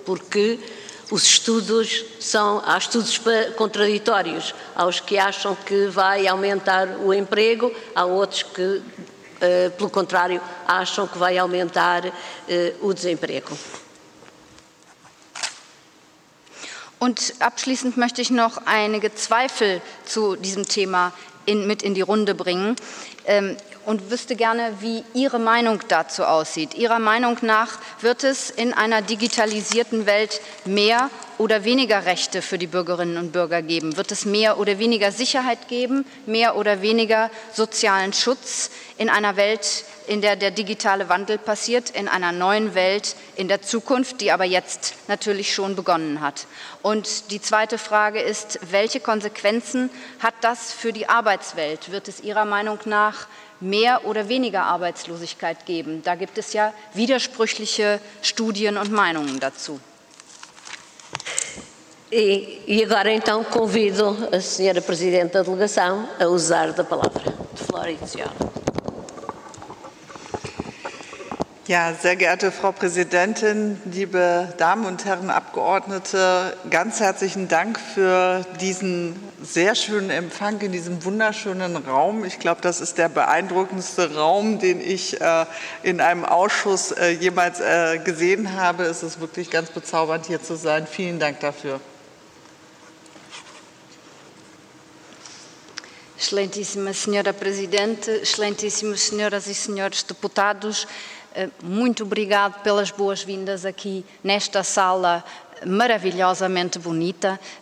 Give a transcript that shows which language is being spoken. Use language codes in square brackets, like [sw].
[pt] Porque os estudos são, há estudos contraditórios, há os que acham que vai aumentar o emprego, há outros que, pelo contrário, acham que vai aumentar o desemprego. [de] Und abschließend möchte ich noch einige Zweifel zu diesem Thema mit in die Runde bringen und wüsste gerne, wie Ihre Meinung dazu aussieht. Ihrer Meinung nach wird es in einer digitalisierten Welt mehr oder weniger Rechte für die Bürgerinnen und Bürger geben? Wird es mehr oder weniger Sicherheit geben, mehr oder weniger sozialen Schutz in einer Welt, in der der digitale Wandel passiert, in einer neuen Welt in der Zukunft, die aber jetzt natürlich schon begonnen hat? Und die zweite Frage ist, welche Konsequenzen hat das für die Arbeitswelt? Wird es Ihrer Meinung nach mehr oder weniger Arbeitslosigkeit geben? Da gibt es ja widersprüchliche Studien und Meinungen dazu. [pt] E agora então convido a senhora presidente da delegação a usar da palavra. Florencia. [de] Ja, sehr geehrte Frau Präsidentin, liebe Damen und Herren Abgeordnete, ganz herzlichen Dank für diesen sehr schönen Empfang in diesem wunderschönen Raum. Ich glaube, das ist der beeindruckendste Raum, den ich in einem Ausschuss jemals gesehen habe. Es ist wirklich ganz bezaubernd, hier zu sein. Vielen Dank dafür. [pt] Excelentíssima Senhora Presidente, excelentíssimas senhoras e senhores deputados, muito obrigado pelas boas-vindas aqui nesta sala maravilhosamente bonita.